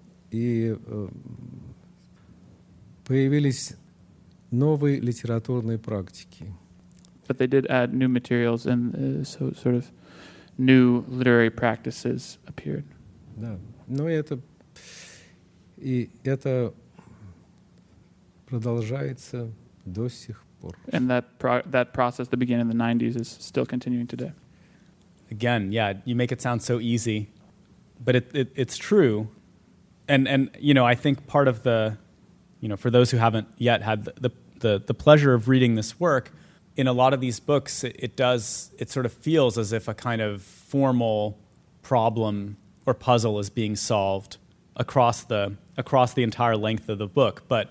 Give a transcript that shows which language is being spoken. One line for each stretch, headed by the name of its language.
Russian: И появились новые литературные практики.
English: But they did add new materials and so sort of new literary practices appeared.
Russian: Да. Но это и это продолжается до сих пор.
English: And that process that began in the 90s is still continuing today. Again, yeah, you make it sound so easy, but it's true. And you know, I think part of the, you know, for those who haven't yet had the pleasure of reading this work, in a lot of these books, it sort of feels as if a kind of formal problem or puzzle is being solved across the entire length of the book.